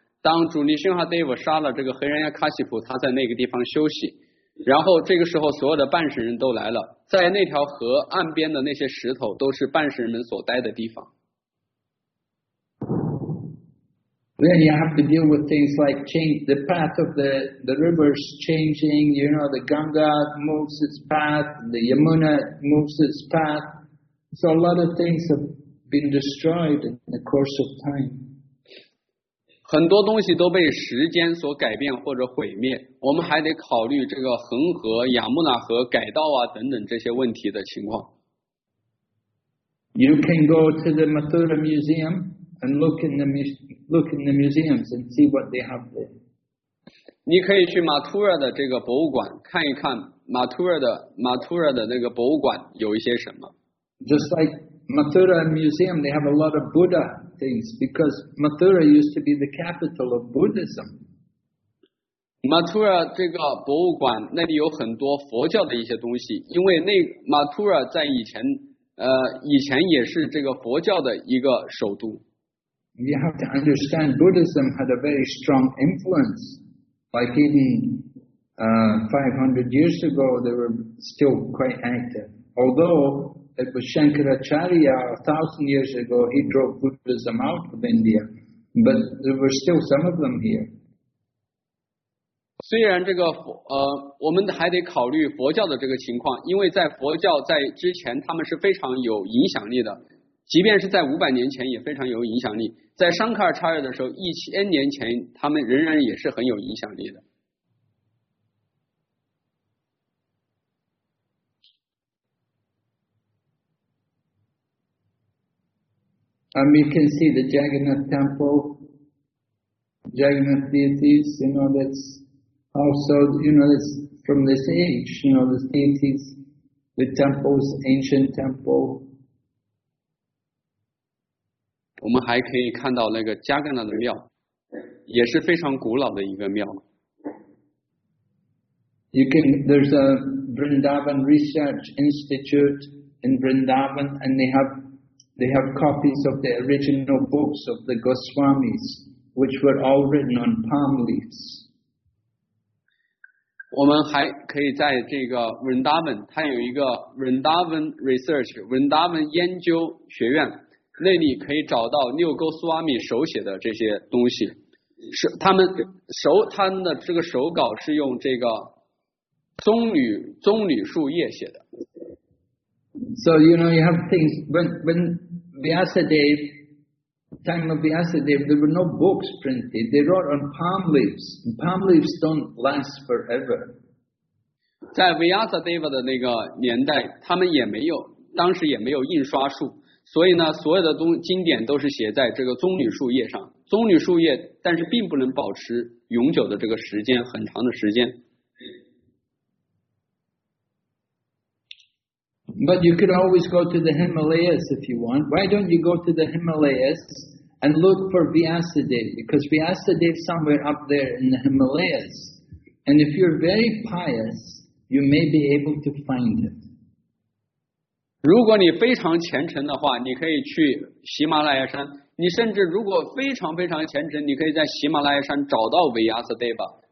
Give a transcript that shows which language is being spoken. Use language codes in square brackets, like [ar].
[zh] 当主尼辛哈德夫杀了这个黑人亚卡西普，他在那个地方休息，然后这个时候所有的半神人都来了，在那条河岸边的那些石头都是半神人们所待的地方。 [en] Then you have to deal with things like change the path of the rivers changing, you know, the Ganga moves its path, the Yamuna moves its path. So a lot of things have been destroyed in the course of time. [zh] 很多东西都被时间所改变或者毁灭，我们还得考虑这个恒河、亚穆纳河改道啊等等这些问题的情况。 [en] You can go to the Mathura Museum and look in the museums and see what they have there. [zh] 你可以去马图尔的这个博物馆看一看马图尔的那个博物馆有一些什么。 [en] Just like Mathura Museum, they have a lot of Buddha things because Mathura used to be the capital of Buddhism. [zh] Mathura 这个博物馆那里有很多佛教的一些东西，因为那Mathura在以前也是这个佛教的一个首都。 [en] You have to understand Buddhism had a very strong influence. Like even 500 years ago, they were still quite active. Although it was Shankaracharya 1,000 years ago, he drove Buddhism out of India. But there were still some of them here. [zh] 虽然这个我们还得考虑佛教的这个情况，因为在佛教在之前他们是非常有影响力的，即便是在500年前也非常有影响力，在尚卡尔查尔的时候1000年前他们仍然也是很有影响力的。 [en] And we can see the Jagannath temple, Jagannath deities, you know, that's also, you know, it's from this age, you know, the deities, the temples, ancient temple. [zh] 我们还可以看到那个加格纳的庙，也是非常古老的一个庙。 [en] There's a Vrindavan Research Institute in Vrindavan, and they have copies of the original books of the Goswamis, which were all written on palm leaves. [zh] 我们还可以在这个 Vrindavan, 它有一个 Vrindavan Research, Vrindavan 研究学院。那里可以找到六沟苏阿米手写的这些东西，他们的这个手稿是用这个棕榈树叶写的。 [en] So you know you have things when Vyasadev, there were no books printed. They wrote on palm leaves. Palm leaves don't last forever. [zh] 在 Vyasadev 的那个年代，他们也没有，当时也没有印刷术。所以呢，所有的经典都是写在这个棕榈树叶上。棕榈树叶，但是并不能保持永久的这个时间，很长的时间。 [en] But you could always go to the Himalayas if you want. Why don't you go to the Himalayas and look for Vyasadeva? Because Vyasadeva is somewhere up there in the Himalayas. And if you're very pious, you may be able to find it. [zh] 如果你非常虔诚的话，你可以去喜马拉雅山。你甚至如果非常非常虔诚，你可以在喜马拉雅山找到维亚斯德瓦。